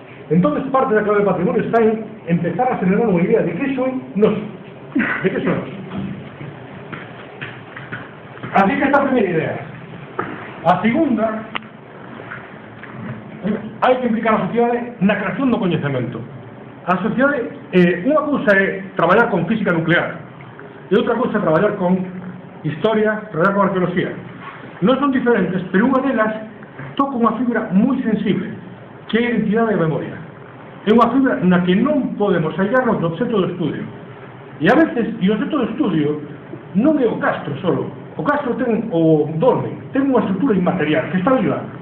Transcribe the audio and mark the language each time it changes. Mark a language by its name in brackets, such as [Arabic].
[Spanish] Entonces, parte de la clave del patrimonio está en empezar a generar una idea de qué son nosotros. ¿De qué son nosotros? Así que esta primera idea. La segunda. Hay que implicar a las sociedades en la creación de conocimiento. [Galician] a sociedade, unha cousa é traballar con física nuclear e outra cousa é traballar con historia, traballar con arqueoloxía. Non son diferentes, pero unha delas toca unha fibra moi sensible, que é a identidade e a memoria. É unha fibra na que non podemos hallarnos do objeto do estudio. E a veces, e o objeto do estudio non é o castro solo. O castro ten o dolmen, ten unha estrutura inmaterial que está viva.